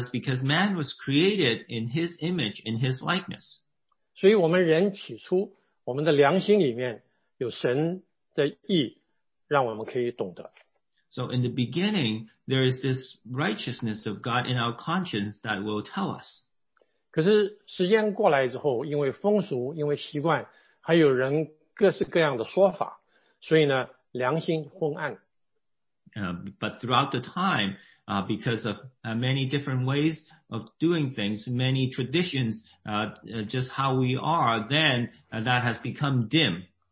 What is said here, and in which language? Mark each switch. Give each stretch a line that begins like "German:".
English: is because man was created in his image, in his likeness.
Chinese: 所以我们人起初,我们的良心里面有神的义,让我们可以懂得。
English: So in the beginning, there is this righteousness of God in our conscience that will tell us.
Chinese: 可是时间过来之后,因为风俗,因为习惯,还有人各式各样的说法,所以呢, 良心昏暗。
English: But throughout the time, because of many different ways of doing things, many traditions, just how we are, then that has become dim.